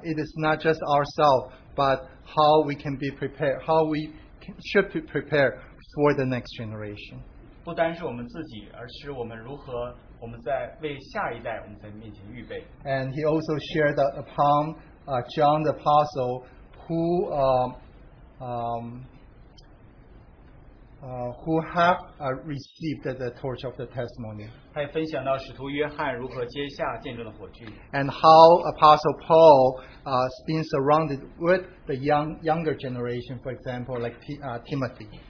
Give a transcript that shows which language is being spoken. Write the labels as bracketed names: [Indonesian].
[English] It is not just ourselves, but how we can be prepared, how we should be prepared for the next generation. [Chinese] 不单是我们自己，而是我们如何。我们在为下一代，我们在面前预备。 [English] And he also shared upon John the Apostle, who have received the torch of the testimony. [Chinese] 他也分享到使徒约翰如何接下见证的火炬。 [English] And how Apostle Paul been surrounded with the younger generation, for example, like Timothy.